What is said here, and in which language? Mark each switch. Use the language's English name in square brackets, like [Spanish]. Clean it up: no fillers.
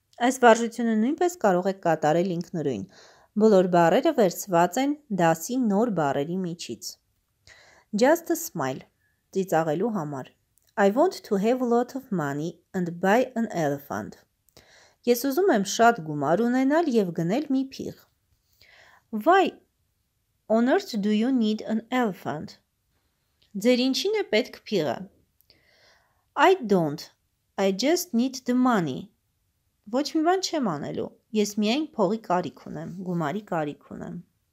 [Armenian] Այս վարժությունը նույնպես կարող եք կատարել ինքնուրույն. Բոլոր բառերը վերցված են դասի նոր բառերի միջից. [English] Just a smile. [Armenian] Ծիծաղելու համար. [English] I want to have a lot of money and buy an elephant. [Armenian] Ես ուզում եմ շատ գումար ունենալ և գնել մի փիղ. [English] Why on earth do you need an elephant? [Armenian] Ձեր ինչին է պետք փիղը? [English] I don't. I just need the money. [Armenian] Ոչ մի բան չեմ անելու. Ես միայն փողի կարիք ունեմ, գումարի կարիք ունեմ։